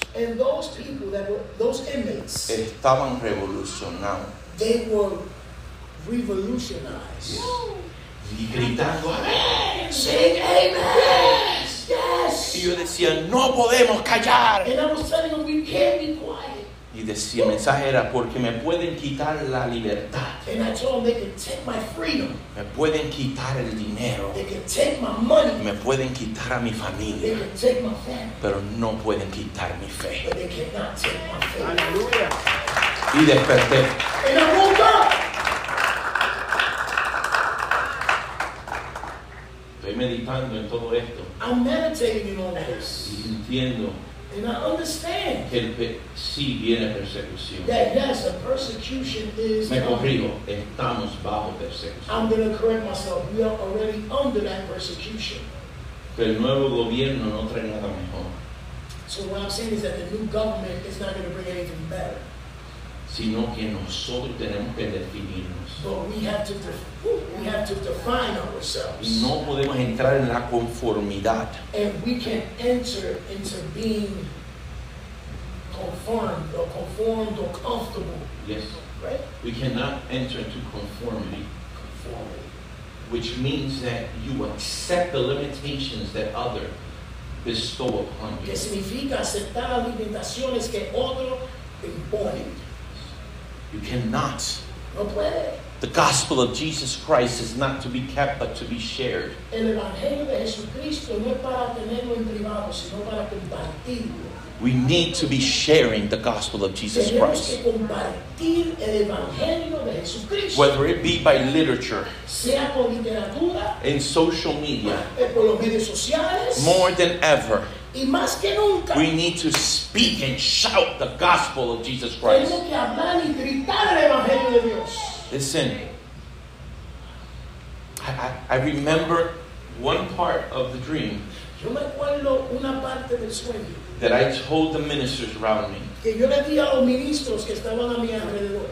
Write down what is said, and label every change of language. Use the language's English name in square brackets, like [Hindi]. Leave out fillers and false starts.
[English] And those people that were those inmates. [Spanish] Estaban revolucionados. [English] They were revolutionized. Yes. [Spanish] Y gritando, ¡Amén! ¡Sí, amén! [English] Yes, yes. [Spanish] Y yo decía, ¡no podemos callar! [English] And I was telling them, we can't be quiet. [Spanish] Y decía, el mensaje era, porque me pueden quitar la libertad. [English] And I told them, they can take my freedom. [Spanish] Me pueden quitar el dinero. [English] They can take my money. [Spanish] Me pueden quitar a mi familia. [English] They can take my family. [Spanish] Pero no pueden quitar mi fe. [English] But they cannot take my faith. [Spanish] ¡Aleluya! Y desperté. [English] And I woke up. [Spanish] Meditando en todo esto. [English] I'm meditating in all this. [Spanish] Y entiendo. [English] And I understand. [Spanish] Que sí viene persecución. [English] That yes, the persecution is. [Spanish] Me corrijo. Estamos bajo persecución. [English] I'm going to correct myself. We are already under that persecution. [Spanish] Que el nuevo gobierno no trae nada mejor. [English] So what I'm saying is that the new government is not going to bring anything better. [Spanish] Sino que nosotros tenemos que definirnos. [English] We have to define ourselves. [Spanish] No podemos entrar en la conformidad. [English] And we can enter into being conformed or comfortable. Yes. Right? We cannot enter into conformity. Conformity. Which means that you accept the limitations that other bestow upon you. [Spanish] Que significa aceptar las limitaciones que otro impone. [English] You cannot. [Spanish] No puede. [English] The gospel of Jesus Christ is not to be kept, but to be shared. [Spanish] El evangelio de Jesucristo no es para tenerlo en privado, sino para compartirlo. [English] We need to be sharing the gospel of Jesus Christ. [Spanish] Tenemos que compartir el evangelio de Jesucristo. [English] Whether it be by literature, [Spanish] sea por literatura, [English] in social media, [Spanish] por los medios sociales, [English] more than ever. [Spanish] Y más que nunca, [English] we need to speak and shout the gospel of Jesus Christ. [Spanish] Tenemos que hablar y gritar el evangelio de Dios. [English] Listen, I remember one part of the dream. [Spanish] Yo me acuerdo una parte del sueño. [English] That I told the ministers around me. [Spanish] Que yo le dije a los ministros que estaban a mi alrededor.